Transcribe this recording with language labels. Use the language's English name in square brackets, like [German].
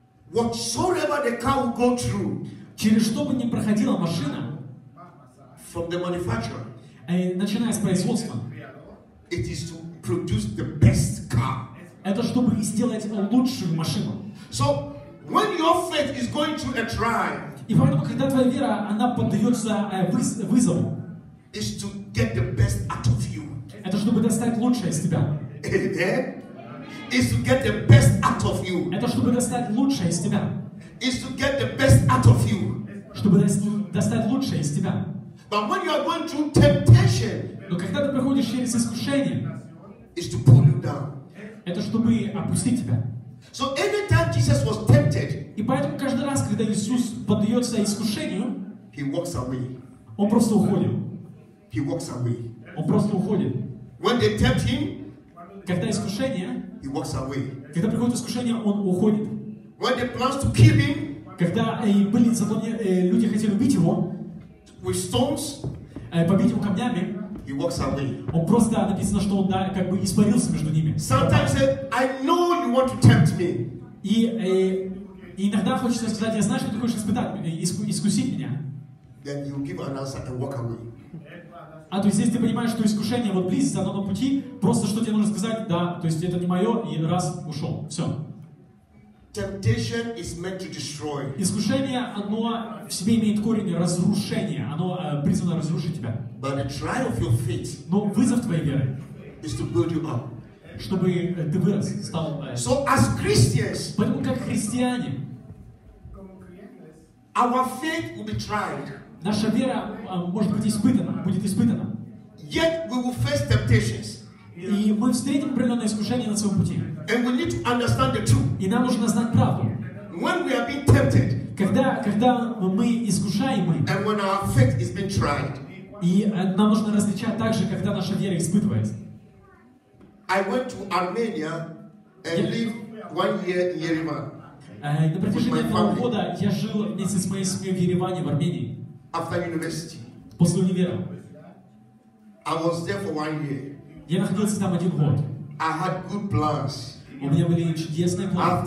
[English] Whatsoever the car will go through, [Russian] через что бы ни проходила машина, [English] from the manufacturer, [Russian] начиная с производства, [English] it is to produce the best car. [Russian] Это чтобы сделать лучшую машину. [English] So, when your faith is going through a trial, [Russian] и поэтому, когда твоя вера, она поддается вызову, [English] is to get the best out of you. [Russian] Это чтобы достать лучшее из тебя. [English] Is to get the best out of you. [Russian] Это чтобы достать лучшее из тебя. [English] Is to get the best out of you. [Russian] Чтобы достать лучшее из тебя. [English] But when you are going through temptation, [Russian] но когда ты проходишь через искушение, [English] is to pull you down. [Russian] Это чтобы опустить тебя. [English] So every time Jesus was tempted, [Russian] и поэтому каждый раз, когда Иисус поддается искушению, [English] he walks away. [Russian] Он просто уходит. [English] He walks away. [Russian] Он просто уходит. [English] When they tempt him, [Russian] когда искушение, [English] he walks away. [Russian] Когда приходит искушение, он уходит. [English] When they plans to kill him, [Russian] когда были задумки, люди хотели убить его, [English] with stones, [Russian] побить его камнями, [English] he walks away. [Russian] Он просто, написано, что он, да, как бы испарился между ними. [English] Sometimes I know you want to tempt me. [Russian] И иногда хочется сказать, я знаю, что ты хочешь испытать меня, искусить меня. [English] Then you give an answer and walk away. [Russian] А то есть если ты понимаешь, что искушение вот близится, оно на пути, просто что тебе нужно сказать? Да, то есть это не мое, и раз, ушел. Все. [English] Temptation is meant to destroy. [Russian] Искушение, оно в себе имеет корень разрушения. Оно призвано разрушить тебя. [English] But the trial of your faith, [Russian] но вызов твоей веры, [English] is to build you up. [Russian] Чтобы ты вырос, стал... [English] So as Christians, [Russian] поэтому как христиане, [English] our faith will be tried. [Russian] Наша вера может быть испытана, будет испытана. [English] Yet we will face temptations. [Russian] И мы встретим определенные искушения на своем пути. [English] And we need to understand the truth. [Russian] И нам нужно знать правду. [English] When we are being tempted, [Russian] когда мы искушаемы, [English] and when our faith is being tried, [Russian] и нам нужно различать также, когда наша вера испытывается. [English] I went to Armenia and lived 1 year in Yerevan. [Russian] На протяжении одного года я жил вместе с моей семьей в Ереване, в Армении. [English] After university, [Russian] после универа, [English] I was there for 1 year. [Russian] Я находился там один год. [English] I had good plans. [Russian] У меня были чудесные планы.